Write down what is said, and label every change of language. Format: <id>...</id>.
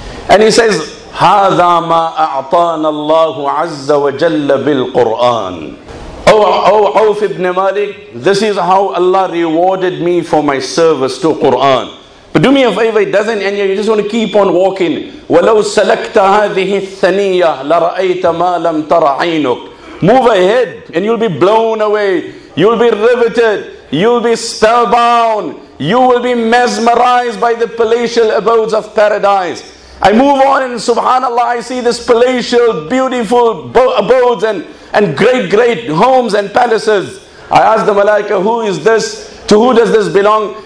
<en>And he says,</en> <ar>هَذَا مَا أَعْطَانَ اللَّهُ عَزَّ وَجَلَّ بِالْقُرْآنِ</ar> <en>Oh, Auf ibn Malik, this is how Allah rewarded me for my service to Qur'an. But do me a favor, it doesn't end here, you just want to keep on walking.</en> <ar>وَلَوْ سَلَكْتَ هَذِهِ الثَّنِيَّةِ لَرَأَيْتَ مَا لَمْ تَرَ عَيْنُكَ</ar> <en>Move ahead and you'll be blown away. You'll be riveted. You'll be spellbound. You will be mesmerized by the palatial abodes of paradise. I move on and subhanAllah, I see this palatial, beautiful abodes and great, great homes and palaces. I ask the Malaika, who is this? To who does this belong?</en>